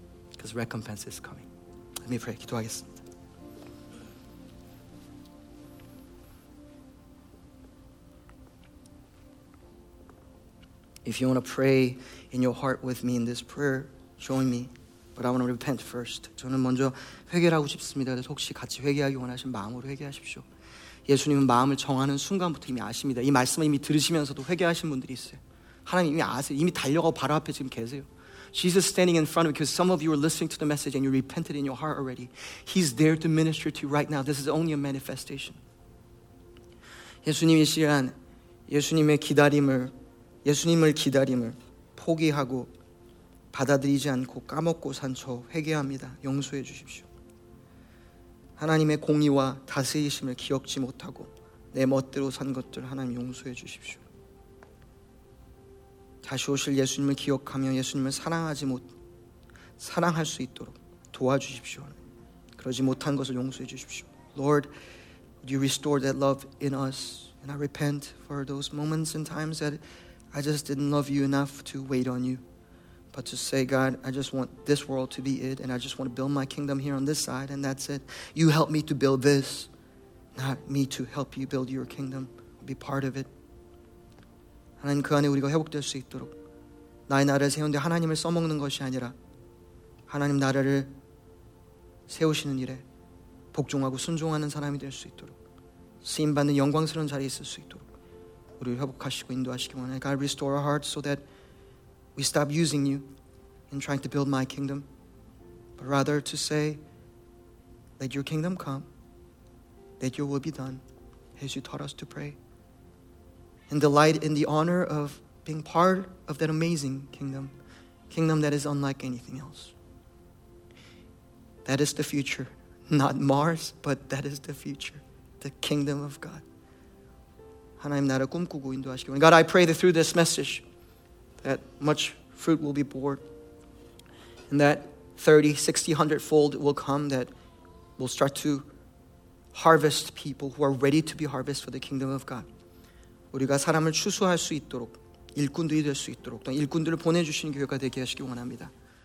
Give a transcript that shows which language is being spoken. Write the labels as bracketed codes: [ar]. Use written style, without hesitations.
[en] Because recompense is coming. Let me pray. [ko] 기도하겠습니다. [en] If you want to pray in your heart with me in this prayer, join me. But I want to repent first. [ko] 저는 먼저 회개를 하고 싶습니다. 그래서 혹시 같이 회개하기 원하신 마음으로 회개하십시오. 예수님은 마음을 정하는 순간부터 이미 아십니다. 이 말씀을 이미 들으시면서도 회개하신 분들이 있어요. 하나님 이미 아세요. 이미 달려가 바로 앞에 지금 계세요. [en] Jesus standing in front of you because some of you are listening to the message and you repented in your heart already. He's there to minister to you right now. This is only a manifestation. [ko] 예수님이 시간 예수님의 기다림을 예수님을 기다림을 포기하고 받아들이지 않고 까먹고 산 저 회개합니다. 용서해 주십시오. 하나님의 공의와 다스리심을 기억지 못하고 내 멋대로 산 것들 하나님 용서해 주십시오. 다시 오실 예수님을 기억하며 예수님을 사랑하지 못 사랑할 수 있도록 도와주십시오. 그러지 못한 것을 용서해 주십시오. [en] Lord, you restore that love in us and I repent for those moments and times that I just didn't love you enough to wait on you. But to say, God, I just want this world to be it, and I just want to build my kingdom here on this side, and that's it. You help me to build this, not me to help you build your kingdom, be part of it. [ko] 하나님, 그 안에 우리가 회복될 수 있도록 나의 나라를 세운데 하나님을 써먹는 것이 아니라 하나님 나라를 세우시는 일에 복종하고 순종하는 사람이 될 수 있도록 쓰임받는 영광스러운 자리에 있을 수 있도록 우리를 회복하시고 인도하시기 원해. [en] God, restore our hearts so that we stop using you in trying to build my kingdom, but rather to say, let your kingdom come, let your will be done, as you taught us to pray, and delight in the honor of being part of that amazing kingdom, kingdom that is unlike anything else. That is the future, not Mars, but that is the future, the kingdom of God. [ko] 하나님 나라 꿈꾸고 인도하시기 원해. [en] God, I pray that through this message, that much fruit will be bore, and that 30, 60, 100-fold will come, that will start to harvest people who are ready to be harvested for the kingdom of God. [ko] 우리가 사람을 추수할 수 있도록, 일꾼들이 될 수 있도록, 또 일꾼들을 보내주시는 교회가 되게 하시기 원합니다.